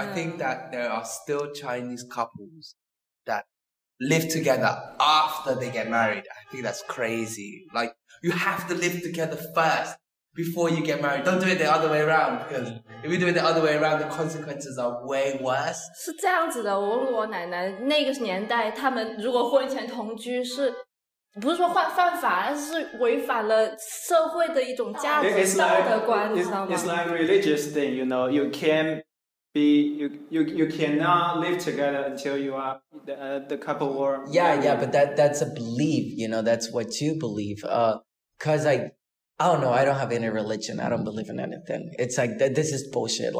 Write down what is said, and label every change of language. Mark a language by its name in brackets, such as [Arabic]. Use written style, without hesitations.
[English] I think that there are still Chinese couples that live together after they get married. I think that's crazy. Like, you have to live together first before you get married. Don't do it the other way around, because if you do it the other way around, the consequences are way worse. [Chinese] 是这样子的，我问我奶奶那个年代，他们如果婚前同居是不是说犯法，而是违反了社会的一种价值道德观，你知道吗？ [English] It's like religious thing, you know. You can be you cannot live together until you are the couple or yeah, but that's a belief, you know. That's what you believe. Because I don't know. I don't have any religion. I don't believe in anything. It's like, this is bullshit.